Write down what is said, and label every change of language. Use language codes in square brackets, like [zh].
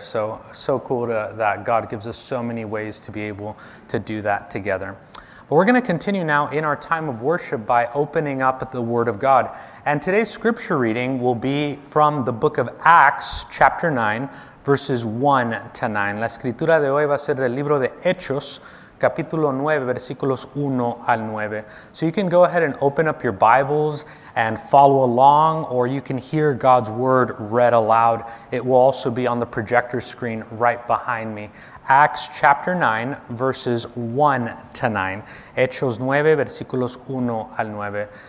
[en] So cool that God gives us so many ways to be able to do that together. But we're going to continue now in our time of worship by opening up the Word of God. And today's scripture reading will be from the book of Acts, chapter 9, verses 1 to 9. [es] La escritura de hoy va a ser del libro de Hechos, capítulo 9, versículos 1 al 9. [en] So you can go ahead and open up your Bibles and follow along, or you can hear God's Word read aloud. It will also be on the projector screen right behind me. Acts chapter 9, verses 1 to 9. [es] Hechos 9, versículos 1 al 9.